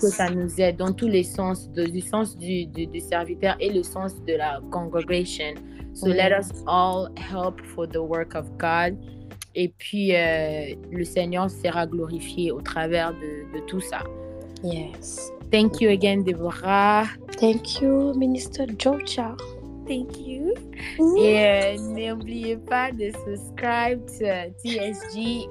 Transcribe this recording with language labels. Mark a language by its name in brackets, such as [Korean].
[French] Que ça nous aide dans tous les sens, du sens du serviteur et le sens de la congregation. [English] So let us all help for the work of God. [French] Et puis, le Seigneur sera glorifié au travers de tout ça. [English] Yes. Thank you again, Deborah. Thank you, Minister Georgia. Thank you. [French] Mm. Et n'oubliez pas de subscribe à TSG.